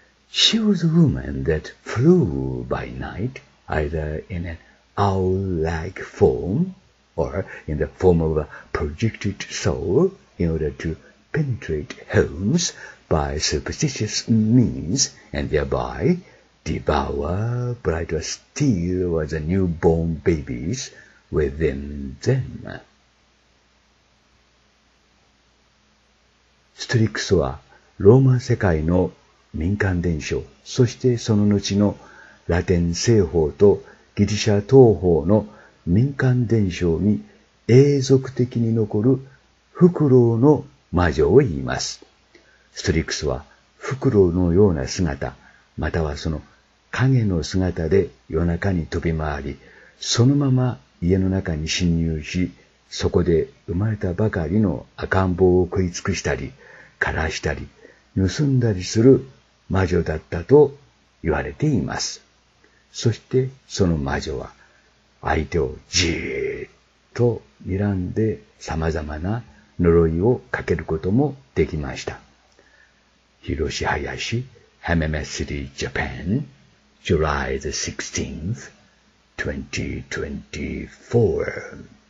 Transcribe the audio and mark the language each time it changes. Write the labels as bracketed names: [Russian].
[English] She was a woman that flew by night, either in an owl-like form or in the form of a projected soul, in order to penetrate homes by superstitious means, and thereby devour brighter steel or the newborn babies within them. [Japanese] ストリックスはローマ世界の民間伝承、そしてその後のラテン西方とギリシャ東方の民間伝承に永続的に残るフクロウの魔女を言います。ストリックスはフクロウのような姿、またはその影の姿で夜中に飛び回り、そのまま家の中に侵入し、そこで生まれたばかりの赤ん坊を食い尽くしたり、枯らしたり、盗んだりする魔女だったと言われています。そしてその魔女は相手をじーっと睨んで様々な呪いをかけることもできました。 [English] ヒロシ・ハヤシ、MMSD Japan、July the 16th, 2024.